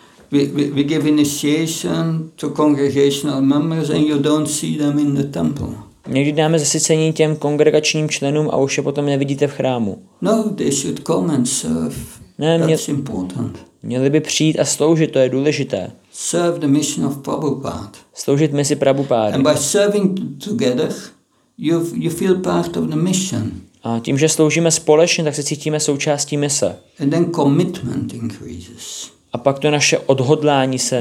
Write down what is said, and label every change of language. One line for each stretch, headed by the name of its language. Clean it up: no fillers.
English: We give initiation to congregational members and you don't see them in the temple.
Czech: Někdy dáme zasycení těm kongregačním členům a už je potom nevidíte v chrámu.
English: No, they should come and serve. Ne, that's important.
Czech: Měli by přijít a sloužit, to je důležité.
English: Serve the mission of Prabhupada.
Czech: Sloužit misi Prabhupády.
English: And by serving together, you feel part of the mission.
Czech: A tím, že sloužíme společně, tak se cítíme součástí mise.
English: And then commitment increases.
Czech: A pak to naše odhodlání se